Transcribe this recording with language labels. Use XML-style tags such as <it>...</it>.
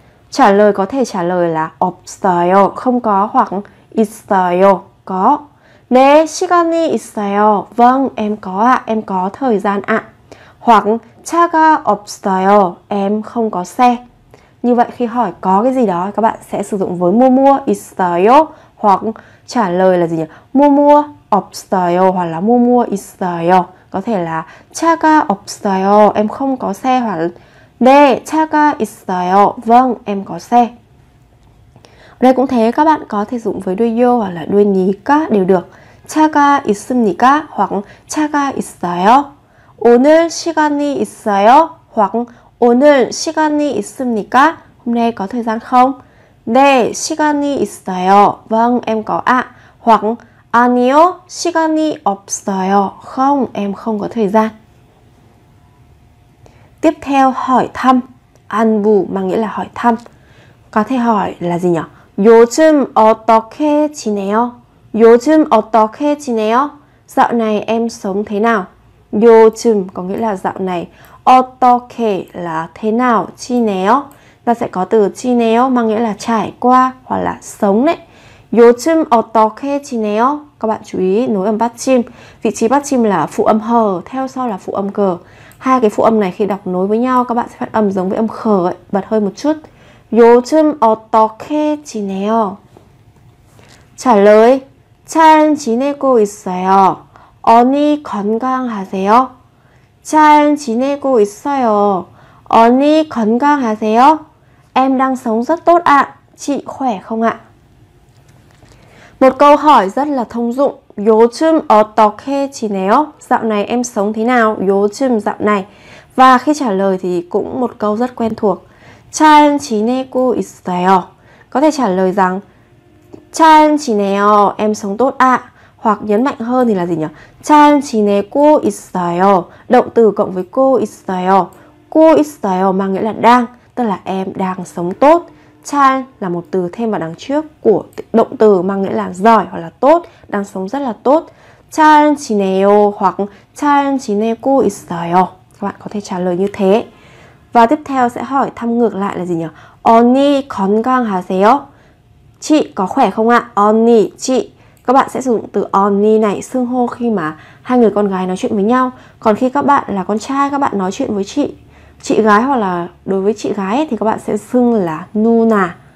<vi>Trả lời có thể trả lời là 없어요 không có hoặc 있어요 có.</vi> <ko>네, 시간이 있어요.</ko> <vi>Vâng, em có ạ, à, em có thời gian ạ. À. Hoặc</vi> <ko>차가 없어요.</ko> <vi>Em không có xe. Như vậy khi hỏi có cái gì đó các bạn sẽ sử dụng với</vi> <ko>뭐뭐 있어요</ko> <vi>hoặc trả lời là gì nhỉ?</vi> <ko>뭐뭐 없어요</ko> <vi>hoặc là</vi> <ko>뭐뭐 있어요.</ko> <vi>Có thể là</vi> <ko>차가 없어요.</ko> <vi>Em không có xe hoặc</vi> <ko>네, 차가 있어요.</ko> <vi>Vâng, em có xe. Ở đây cũng thế, các bạn có thể dùng với đuôi 요 hoặc là đuôi 니가 đều được.</vi> <ko>차가 있습니까? Hoặc 차가 있어요. 오늘 시간이 있어요? Hoặc 오늘 시간이 있습니까?</ko> <vi>Hôm nay có thời gian không?</vi> <ko>네, 시간이 있어요.</ko> <vi>Vâng, em có ạ. À.</vi> <ko>Hoặc 아니요, 시간이 없어요.</ko> <vi>Không, em không có thời gian. Tiếp theo hỏi thăm. 안부 mà nghĩa là hỏi thăm. Có thể hỏi là gì nhỉ?</vi> <ko>요즘 어떻게 지내요?</ko> <vi>요즘 어떻게 지내요? Dạo này em sống thế nào? 요즘 có nghĩa là dạo này. 어떻게 là thế nào?</vi> <ko>지내요?</ko> <vi>Ta sẽ có từ 지내요 mang nghĩa là trải qua hoặc là sống đấy.</vi> <ko>요즘 어떻게 지내요?</ko> <vi>Các bạn chú ý nối âm받침. Vị trí 받침 là phụ âm hờ, theo sau là phụ âm gờ. Hai cái phụ âm này khi đọc nối với nhau các bạn sẽ phát âm giống với âm khờ ấy, bật hơi một chút.</vi> <ko>요즘 어떻게 지내요?</ko> <vi>Trả lời</vi> <ko>잘 지내고 있어요. 언니 건강하세요? 잘 지내고 있어요. 언니 건강하세요?</ko> <vi>Em đang sống rất tốt ạ. À. Chị khỏe không ạ? À? Một câu hỏi rất là thông dụng.</vi> <ko>요즘 어떻게 지내요?</ko> <vi>Dạo này em sống thế nào? 요즘 dạo này. Và khi trả lời thì cũng một câu rất quen thuộc.</vi> <ko>잘 지내고 있어요.</ko> <vi>Có thể trả lời rằng</vi> <ko>잘 지내요.</ko> <vi>Em sống tốt ạ. À. Hoặc nhấn mạnh hơn thì là gì nhỉ?</vi> <ko>잘 지내고 있어요.</ko> <vi>Động từ cộng với</vi> <ko>고 있어요.</ko> <vi>고 있어요 mang nghĩa là đang, tức là em đang sống tốt. 잘 là một từ thêm vào đằng trước của động từ mang nghĩa là giỏi hoặc là tốt, đang sống rất là tốt.</vi> <ko>잘 지내요 hoặc 잘 지내고 있어요.</ko> <vi>Các bạn có thể trả lời như thế. Và tiếp theo sẽ hỏi thăm ngược lại là gì nhỉ?</vi> <ko>언니 건강하세요?</ko> <vi>Chị có khỏe không ạ? 언니 chị. Các bạn sẽ sử dụng từ 언니 này xưng hô khi mà hai người con gái nói chuyện với nhau. Còn khi các bạn là con trai, các bạn nói chuyện với chị gái hoặc là đối với chị gái ấy, thì các bạn sẽ xưng là 누나.</vi>